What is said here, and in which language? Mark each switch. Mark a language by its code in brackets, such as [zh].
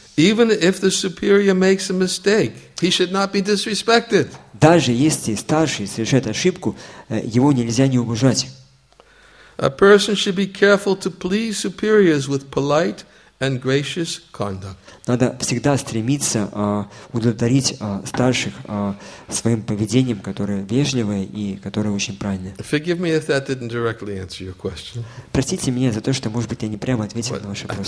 [en] Even if the superior makes a mistake, he should not be disrespected. [ru] Даже если старший совершает ошибку, его нельзя не уважать. [en] A person should be careful to please superiors with polite and gracious conduct. [ru] Надо всегда стремиться удовлетворить старших своим поведением, которое вежливое и которое очень правильное. [en] Forgive me if that didn't directly answer your question. [ru] Простите меня за то, что, может быть, я не прямо ответил на ваш вопрос.